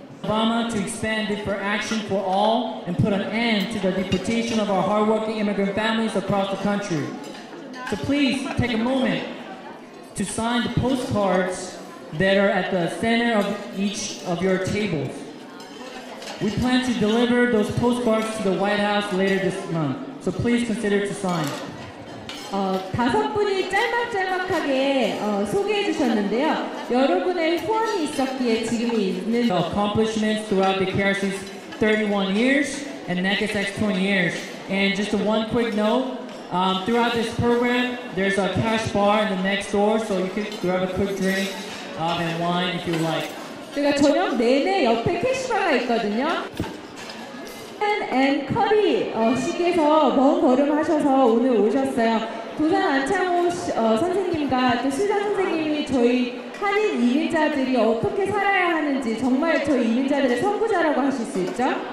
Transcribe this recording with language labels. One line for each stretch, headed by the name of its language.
English: Obama to expand deeper action for all and put an end to the deportation of our hardworking immigrant families across the country. So please take a moment to sign the postcards that are at the center of each of your tables. We plan to deliver those postcards to the White House later this month. So please consider to sign.
Korean: 다섯 분이 짤막짤막하게 소개해 주셨는데요. 여러분의 후원이 있었기에 지금이 있는
English: accomplishments throughout the KRC's 31 years and NACSX 20 years. And just a one quick note, throughout this program, there's a cash bar in the next door, so you can grab a quick drink and wine if you like.
Korean: 제가 저녁 내내 옆에 캐시바가 있거든요. 앤 커리 씨께서 먼 걸음 하셔서 오늘 오셨어요. 도산 안창호 씨, 선생님과 또 실장 선생님이 저희 한인 이민자들이 어떻게 살아야 하는지 정말 저희 이민자들의 선구자라고 하실 수 있죠?